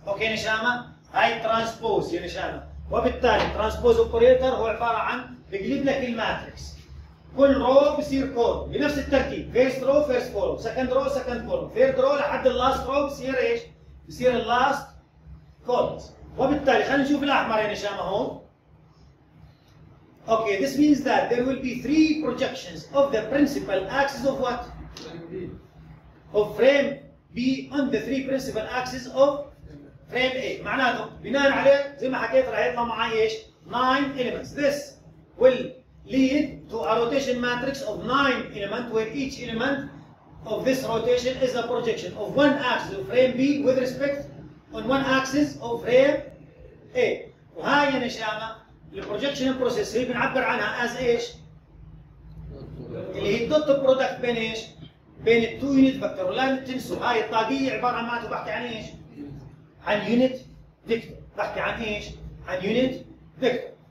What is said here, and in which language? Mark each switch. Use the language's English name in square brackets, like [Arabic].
[Arabic] اوكي نشامه، هاي ترانسبوز يا نشامه. وبالتالي ترانسبوز اوبريتر هو عباره عن بقلب لك الماتريكس، كل رو بصير كور بنفس الترتيب، فيرست رو فيرست كور، سكند رو سكند كور، ثيرد رو لحد اللاست رو بصير ايش؟ بصير اللاست كور. وبالتالي خلينا نشوف الاحمر يا نشامه هون. [English] Okay this means that there will be three projections of the principal axis of what of frame B on the three principal axes of frame A. [Arabic] معناته بناء عليه زي ما حكيت راح يطلع معي ايش 9 elements. [English] This will lead to a rotation matrix of 9 elements where each element of this rotation is a projection of one axis of frame B with respect on one axis of frame A. [Arabic] وهاي يا نشامة البروجكشن بروسيس هي بنعبر عنها as ايش اللي هي دوت برودكت بين ايش بين التو يونت فيكتور. لا تنسوا هاي الطاقيه عباره عن ماتو، بحكي عن ايش؟ عن يونت فيكتور، بحكي عن ايش؟ عن يونت فيكتور.